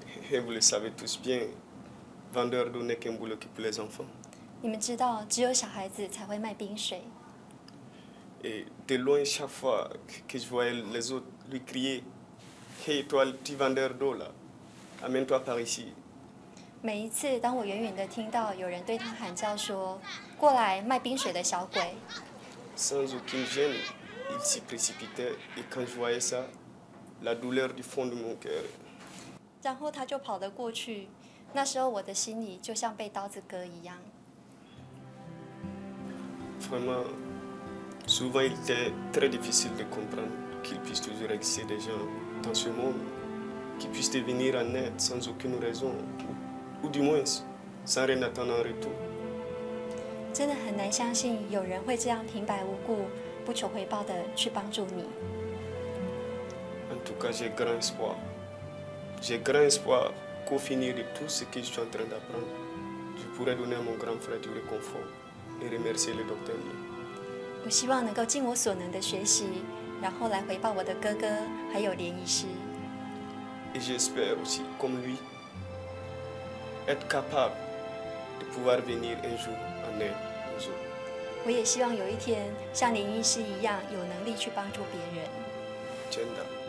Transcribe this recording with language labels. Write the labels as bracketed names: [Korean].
[French] Et vous le savez tous bien, vendeur d'eau n'est qu'un boulot qui plaît aux enfants. [Chinese] 你们知道，只有小孩子才会卖冰水。 [French] Et de loin, chaque fois que je voyais les autres lui crier, Hey, toi, le petit vendeur d'eau là, amène-toi par ici. [Chinese] 每一次，当我远远的听到有人对他喊叫说，过来卖冰水的小鬼。 [French] Sans aucune gêne, il s'y précipitait, et quand je voyais ça, la douleur du fond de mon cœur. [Chinese] 然后他就跑了过去，那时候我的心里就像被刀子割一样。 [French] Vraiment, souvent il était très difficile de comprendre qu'il puisse toujours exister des gens dans ce monde qui puissent devenir en être sans aucune raison, ou du moins sans rien attendre en retour. [Chinese] 真的很难相信有人会这样平白无故、不求回报的去帮助你。 [French] En tout cas, j'ai grand espoir. J'ai grand espoir qu'au finir de tout ce que je suis en train d'apprendre, je pourrais donner à mon grand frère du réconfort. Et remercier le docteur. [Chinese] 我希望能够尽我所能的学习，然后来回报我的哥哥还有连医师。 [French] Et j'espère aussi, comme lui, être capable de pouvoir venir un jour en aide aux autres. [Chinese] 我也希望有一天像连医师一样有能力去帮助别人。真的。